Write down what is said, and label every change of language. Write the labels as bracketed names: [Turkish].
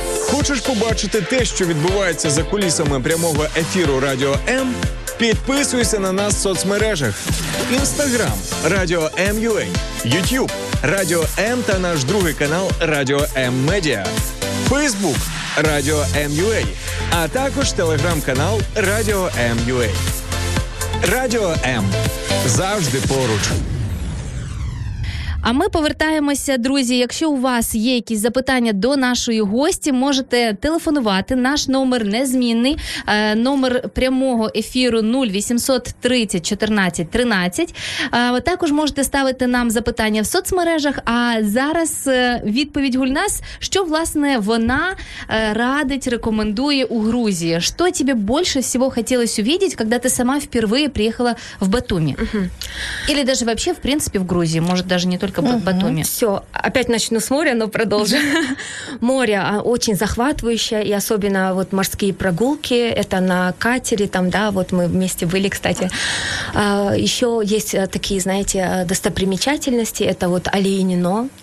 [Ukrainian] Хочешь побачити те, що відбувається за кулісами прямого ефіру Радіо М? Підписуйся на нас в соцмережах. Instagram – Radio M.UA, YouTube – Radio M та наш другий канал Radio M Media, Facebook – Radio M.UA, а також телеграм-канал Radio M.UA. Radio M – завжди поруч. А ми повертаємося, друзі. Якщо у вас є якісь запитання до нашої гості, можете телефонувати. Наш номер незмінний. Номер прямого ефіру 0800 30 14 13. Також можете ставити нам запитання в соцмережах. А зараз відповідь Гульназ. Що, власне, вона радить, рекомендує у Грузії? Що тобі більше всього хотілося увидіти, коли ти сама вперше приїхала в Батумі? [Russian] Или даже вообще, [Ukrainian] в принципі, в Грузії? Може, навіть не тільки Батумі. [Russian] Все, опять начну с моря, но продолжу. Море очень захватывающее, и особенно вот морские прогулки, это на катере, там, да, вот мы вместе были, кстати. Еще есть такие, знаете, достопримечательности, это вот Оленино,